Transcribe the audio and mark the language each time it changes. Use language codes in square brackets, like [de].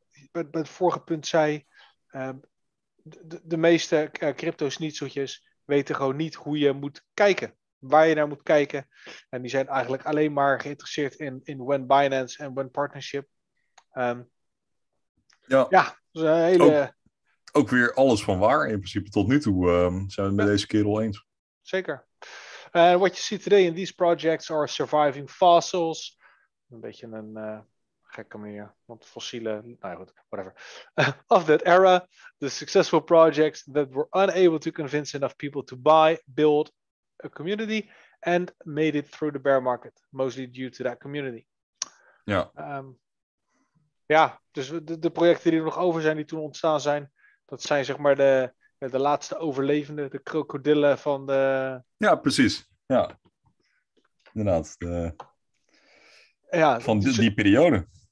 [nl] bij het vorige punt zei, de meeste crypto-snietzeltjes weten gewoon niet hoe je moet kijken, waar je naar moet kijken. En die zijn eigenlijk alleen maar geïnteresseerd in [en] when Binance [nl] en [en] when partnership. [nl] Ja, dat is een hele... Ook weer alles van waar in principe tot nu toe zijn we het met deze kerel eens. Zeker. [en] And what you see today in these projects are surviving fossils. [nl] Een beetje een gekke manier, want fossiele, nou goed, whatever. [en] Of that era, the successful projects that were unable to convince enough people to buy, build a community and made it through the bear market, mostly due to that community. [nl] Ja. Ja, dus de projecten die er nog over zijn, die toen ontstaan zijn, dat zijn zeg maar de laatste overlevenden, de krokodillen van de... Ja, precies. Ja. Inderdaad. Van die periode.